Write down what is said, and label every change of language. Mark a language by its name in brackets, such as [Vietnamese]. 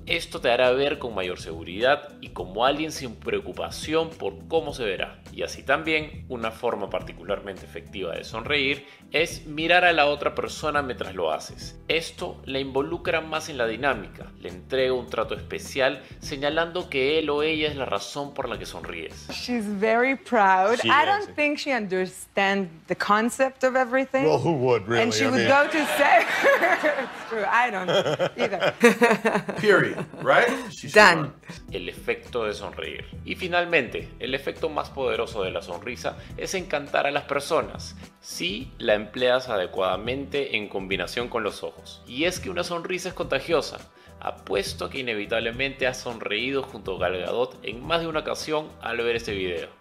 [Spanish] Esto te hará ver con mayor seguridad y como alguien sin preocupación por cómo se verá. Y así también, una forma particularmente efectiva de sonreír es mirar a la otra persona mientras lo haces. Esto la involucra más en la dinámica, le entrega un trato especial señalando que él o ella es la razón por la que sonríes. [English] She's very proud. Sí, I don't think she understands the concept of everything. Well, who would really? And she would go to say, "It's true. I don't either." Period. Right? She's done. [Spanish] El efecto de sonreír. Y finalmente, el efecto más poderoso de la sonrisa es encantar a las personas. Si la empleas adecuadamente en combinación con los ojos. Y es que una sonrisa es contagiosa. apuesto que inevitablemente has sonreído junto a Gal Gadot en más de una ocasión al ver este video.